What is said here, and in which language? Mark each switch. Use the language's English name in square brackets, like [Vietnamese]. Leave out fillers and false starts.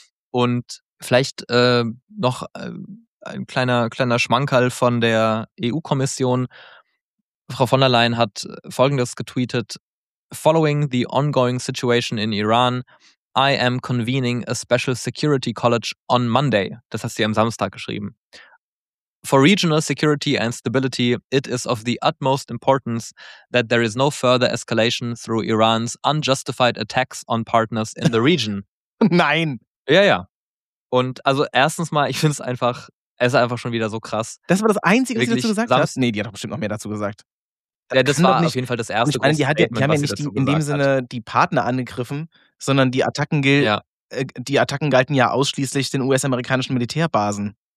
[German] Und vielleicht noch ein kleiner Schmankerl von der EU-Kommission. Frau von der Leyen hat Folgendes getweetet: [English] Following the ongoing situation in Iran, I am convening a special security college on Monday. [German] Das hat sie am Samstag geschrieben. [English] For regional security and stability, it is of the utmost importance that there is no further escalation through Iran's unjustified attacks on partners in the region. [German] Nein! Ja, ja. Und also erstens mal, ich finde es ist einfach schon wieder so krass. Das war das Einzige, was sie dazu gesagt hat? Nee, die hat doch bestimmt noch mehr dazu gesagt. Ja, das war auf jeden Fall das erste. Ich meine, die haben ja nicht in dem Sinne die Partner angegriffen, sondern die Attacken galten ja ausschließlich den US-amerikanischen Militärbasen.